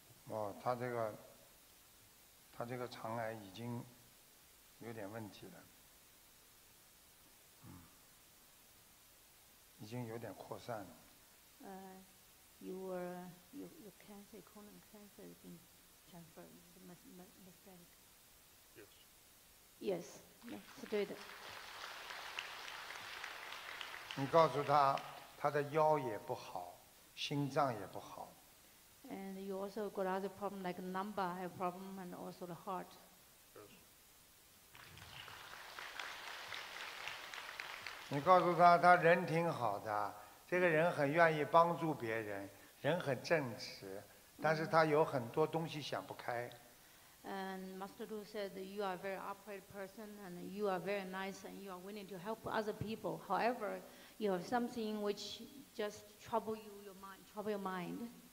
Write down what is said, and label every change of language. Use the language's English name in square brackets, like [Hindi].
[Chinese] 哦，他这个肠癌已经有点问题了，已经有点扩散了。 [English] Your cancer, colon cancer, has been transferred to metastatic. Yes. Yes. [Chinese] 是对的。你告诉他，他的腰也不好，心脏也不好。 [English] And you also got other problems like lumbar have problem and also the heart. Yes. [Chinese] 你告诉他，他人挺好的，这个人很愿意帮助别人，人很正直，但是他有很多东西想不开。 [English] And Master Lu said that you are a very upright person and you are very nice and you are willing to help other people. However, you have something which just trouble your mind.